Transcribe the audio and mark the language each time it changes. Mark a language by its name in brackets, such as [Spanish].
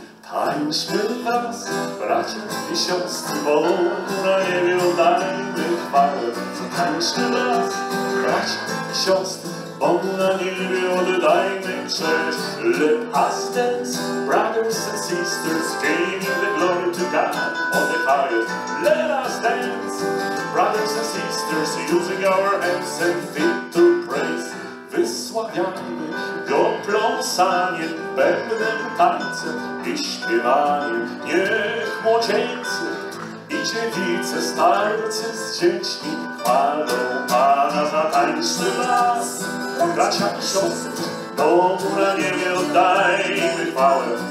[Polish] Tańczmy wraz, bracia i siostry, Bogu na niebie oddajmy chwałę. Tańczmy wraz, bracia i siostry, Bogu na niebie oddajmy cześć. [English] Let us dance, brothers and sisters, giving the glory to God on the highest. Let us dance, brothers and sisters, using our hands and feet to praise. [Polish] Wysławiamy go pląsaniem, pewnym tańcem i śpiewaniem. Niech młodzieńcy i dziewice, starcy z dziećmi chwalą Pana za tańczny las. Bracia i siostry, Bogu na niebie oddajmy chwałę.